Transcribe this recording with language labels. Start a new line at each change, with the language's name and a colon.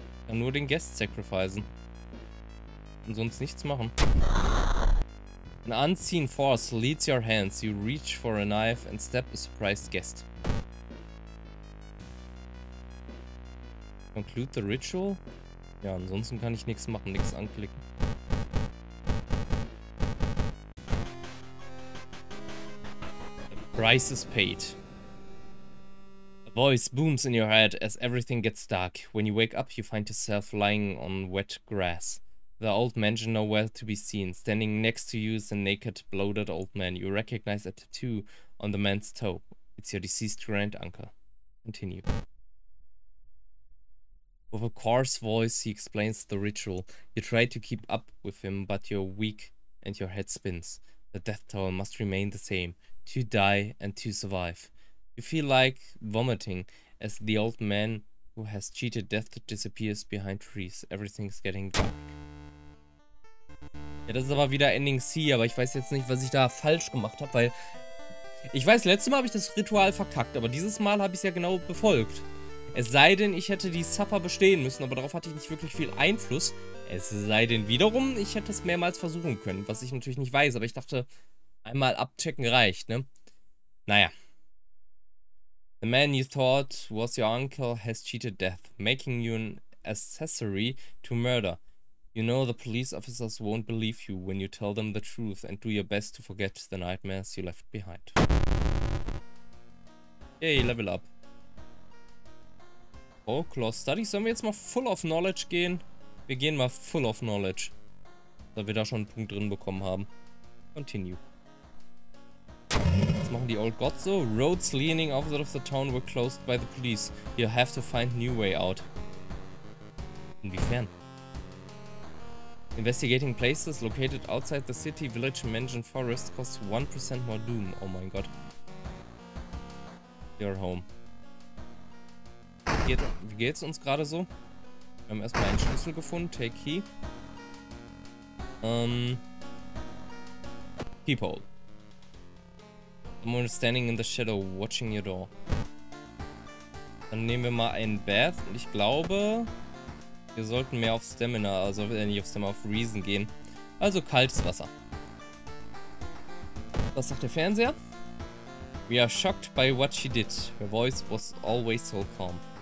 German: Nur den Guest sacrificen. Und sonst nichts machen.
English: An unseen force leads your hands. You reach for a knife and stab a surprised guest. Conclude the ritual?
German: Ja, ansonsten kann ich nichts machen, nichts anklicken.
English: The price is paid. Voice booms in your head as everything gets dark. When you wake up, you find yourself lying on wet grass. The old mansion nowhere to be seen. Standing next to you is a naked, bloated old man. You recognize a tattoo on the man's toe. It's your deceased granduncle. Continue. With a coarse voice, he explains the ritual. You try to keep up with him, but you're weak and your head spins. The death toll must remain the same. To die and to survive. You feel like vomiting as the old man who has cheated death disappears behind trees. Everything's getting dark.
German: Ja, das ist aber wieder Ending C, aber ich weiß jetzt nicht, was ich da falsch gemacht habe, weil... Ich weiß, letztes Mal habe ich das Ritual verkackt, aber dieses Mal habe ich es ja genau befolgt. Es sei denn, ich hätte die Supper bestehen müssen, aber darauf hatte ich nicht wirklich viel Einfluss. Es sei denn wiederum, ich hätte es mehrmals versuchen können, was ich natürlich nicht weiß, aber ich dachte, einmal abchecken reicht, ne? Naja.
English: The man you thought was your uncle has cheated death, making you an accessory to murder. You know the police officers won't believe you when you tell them the truth and do your best to forget the nightmares you left behind. Yay, level up. Folklore study.
German: Sollen wir jetzt mal full of knowledge gehen? Wir gehen mal full of knowledge. Da wir da schon einen Punkt drin bekommen haben.
English: Continue.
German: Machen die Old Gods so?
English: Roads leaning opposite of the town were closed by the police. You have to find new way out.
German: Inwiefern?
English: Investigating places located outside the city, village, mansion, forest costs 1% more doom.
German: Oh mein Gott.
English: Your home.
German: Wie geht's uns gerade so? Wir haben erstmal einen Schlüssel gefunden.
English: Take key. Keyhole. Someone standing in the shadow, watching your door.
German: Dann nehmen wir mal ein Bath und ich glaube, wir sollten mehr auf Stamina, also nicht auf Stamina, auf Reason gehen. Also kaltes Wasser. Was sagt der Fernseher?
English: We are shocked by what she did. Her voice was always so calm.